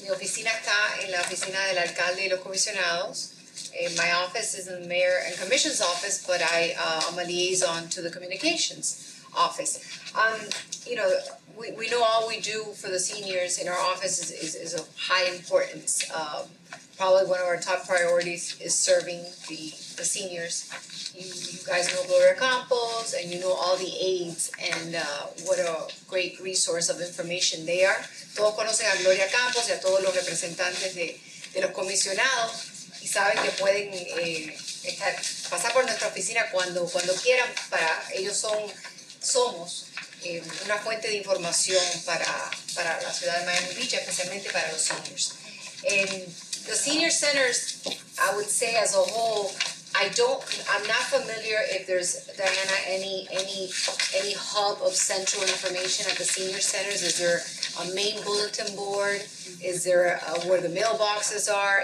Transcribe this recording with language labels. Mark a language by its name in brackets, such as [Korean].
[Spanish] Mi oficina está en la oficina del alcalde y los comisionados. [English] My office is in the mayor and commission's office, but I'm a liaison to the communications office. You know, we know all we do for the seniors in our office is of high importance. Probably one of our top priorities is serving the seniors. You guys know Gloria Campos, and you know all the aides, and what a great resource of information they are. [Spanish] Todos conocen a Gloria Campos y a todos los representantes de los comisionados. Y saben que pueden estar, pasar por nuestra oficina cuando quieran. Para ellos somos una fuente de información para la ciudad de Miami Beach, especialmente para los seniors. [English] And the senior centers, I would say as a whole, I'm not familiar if there's, Diana, any hub of central information at the senior centers. Is there a main bulletin board? Is there a, where the mailboxes are?